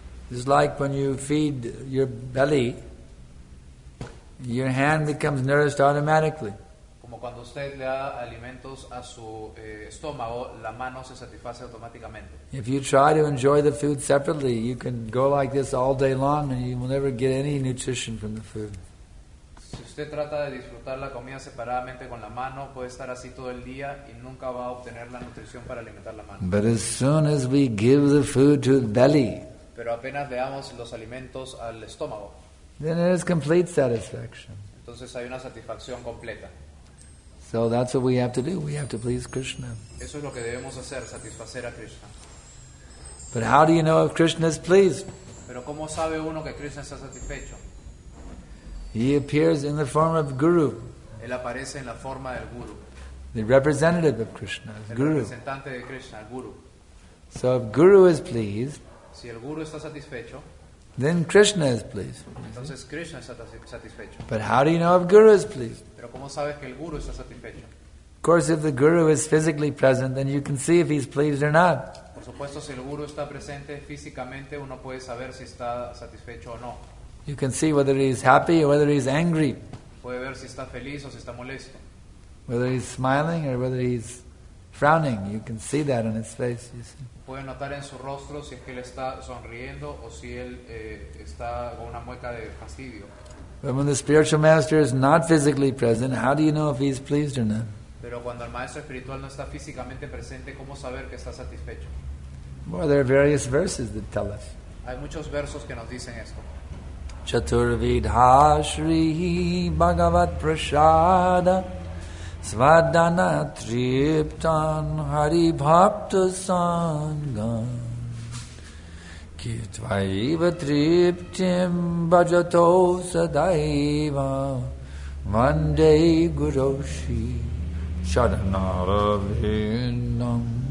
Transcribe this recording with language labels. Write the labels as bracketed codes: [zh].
[en] It's like when you feed your belly, your hand becomes nourished automatically. [es] Como cuando usted le da alimentos a su estómago, la mano se satisface automáticamente. [en] If you try to enjoy the food separately, you can go like this all day long and you will never get any nutrition from the food. [es] Si usted trata de disfrutar la comida separadamente con la mano, puede estar así todo el día y nunca va a obtener la nutrición para alimentar la mano. [en] But as soon as we give the food to the belly, [es] pero apenas le damos los alimentos al estómago, [en] then it is complete satisfaction. [es] Entonces hay una satisfacción completa. [en] So that's what we have to do. We have to please Krishna. [es] Eso es lo que debemos hacer, satisfacer a Krishna. [en] But how do you know if Krishna is pleased? [es] Pero ¿cómo sabe uno que Krishna está satisfecho? [en] He appears in the form of Guru. [es] Él aparece en la forma del Guru. [en] The representative of Krishna, [es] el Guru. Representante de Krishna, el Guru. [en] So if Guru is pleased, [es] si el Guru está satisfecho, [en] then Krishna is pleased. [es] Entonces Krishna está satisfecho. [en] But how do you know if Guru is pleased? [es] Pero ¿cómo sabes que el Guru está satisfecho? [en] Of course, if the Guru is physically present, then you can see if he's pleased or not. [es] Por supuesto, si el Guru está presente físicamente, uno puede saber si está satisfecho o no. [en] You can see whether he is happy or whether he is angry. [es] Puede ver si está feliz o si está molesto. [en] Whether he is smiling or whether he is frowning, you can see that on his face. You see. [es] Puede notar en su rostro si es que él está sonriendo o si él está con una mueca de fastidio. [en] But when the spiritual master is not physically present, how do you know if he is pleased or not? [es] Pero cuando el maestro espiritual no está físicamente presente, ¿cómo saber que está satisfecho? [en] Well, there are various verses that tell us. [es] Hay muchos versos que nos dicen esto. [sa] Chaturvidha Shri Bhagavat Prasada Svadana Triptan Hari Bhakta Sangam Kitvaiva Triptim Bhajato Sadaiva Vande Guru Shri Charanaravindam.